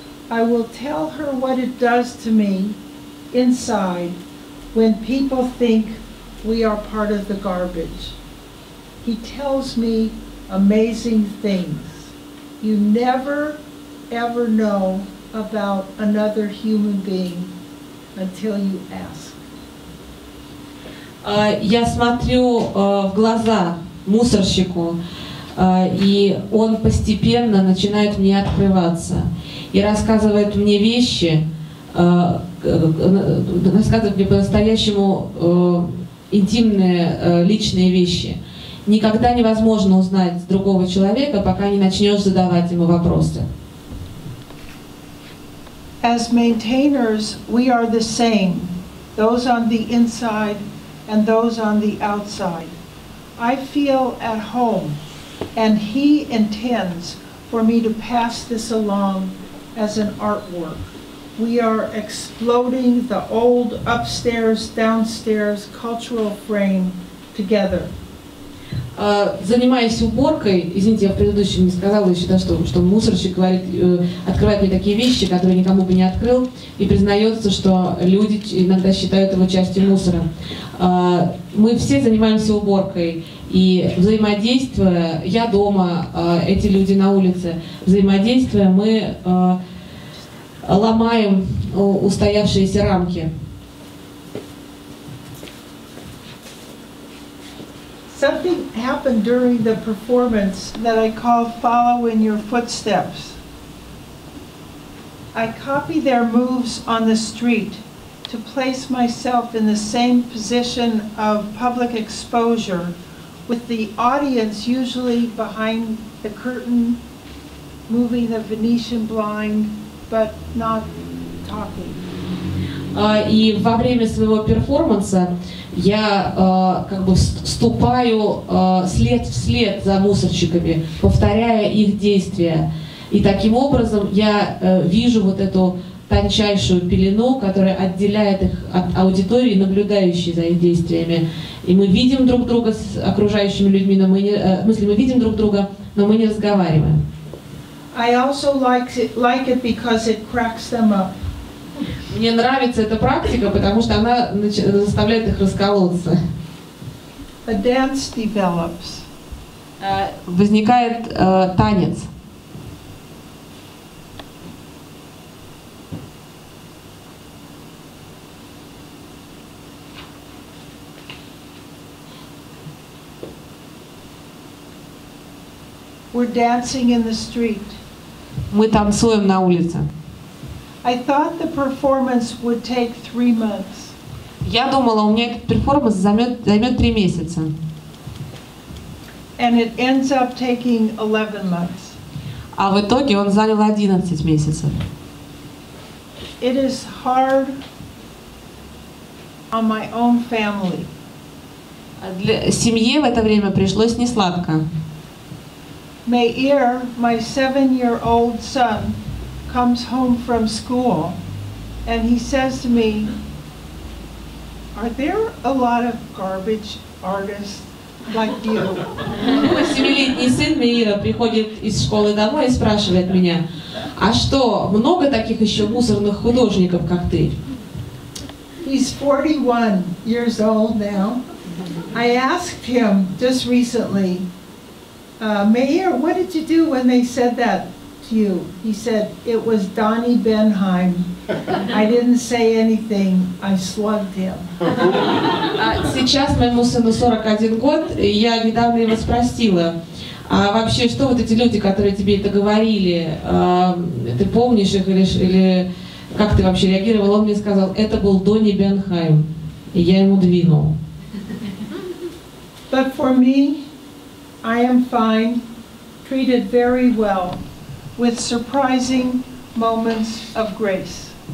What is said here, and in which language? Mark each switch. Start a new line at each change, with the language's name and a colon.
English: I will tell her what it does to me inside when people think we are part of the garbage. He tells me amazing things. You never ever know about another human being until you ask.
Russian: Я смотрю в глаза мусорщику, и он постепенно начинает мне открываться и рассказывает мне вещи, рассказывает мне по-настоящему интимные личные вещи. Никогда невозможно узнать другого человека, пока не начнешь задавать ему вопросы.
English: As maintainers, we are the same, those on the inside and those on the outside. I feel at home, and he intends for me to pass this along as an artwork. We are exploding the old upstairs, downstairs cultural frame together.
Russian: Занимаясь уборкой, извините, я в предыдущем не сказала еще, да, что мусорщик говорит, открывает мне такие вещи, которые никому бы не открыл, и признается, что люди иногда считают его частью мусора. Мы все занимаемся уборкой, и взаимодействуя, я дома, эти люди на улице, взаимодействуя, мы ломаем устоявшиеся рамки.
English: Something happened during the performance that I call Follow in Your Footsteps. I copy their moves on the street to place myself in the same position of public exposure with the audience usually behind the curtain, moving the Venetian blind, but not talking.
Russian: И во время своего перформанса я как бы вступаю след в след за мусорщиками, повторяя их действия. И таким образом я вижу вот эту тончайшую пелену, которая отделяет их от аудитории, наблюдающей за их действиями. И мы видим друг друга с окружающими людьми, но мы не, в смысле, мы видим друг друга, но мы не разговариваем.
English: I also like it because it cracks them up.
Russian: Мне нравится эта практика, потому что она заставляет их расколоться.
English: A dance develops.
Russian: Возникает танец.
English: We're dancing in the street.
Russian: Мы танцуем на улице.
English: I thought the performance would take 3 months.
Russian: Я думала, у меня этот перформанс займет 3 месяца.
English: And it ends up taking 11 months.
Russian: А в итоге он занял 11 месяцев.
English: It is hard on my own family.
Russian: Для семьи в это время пришлось несладко.
English: Mierle, my 7-year-old son, comes home from school, and he says to me, "Are there a lot of garbage artists like you?"
Russian: Мой 7-летний сын Mierle приходит из школы домой и спрашивает меня, "А что, много таких еще мусорных художников, как ты?"
English: He's 41 years old now. I asked him just recently, Mayor, what did you do when they said that to you? He said, it was Donnie Benheim. I didn't say anything. I slugged him.
Russian: Сейчас моему сыну 41 год, и я недавно его спросила, а вообще, что вот эти люди, которые тебе это говорили, ты помнишь их или как ты вообще реагировал? Он мне сказал, это был Донни Бенхайм. И я ему двинул.
English: But for me, I am fine, treated very well, with surprising moments of grace.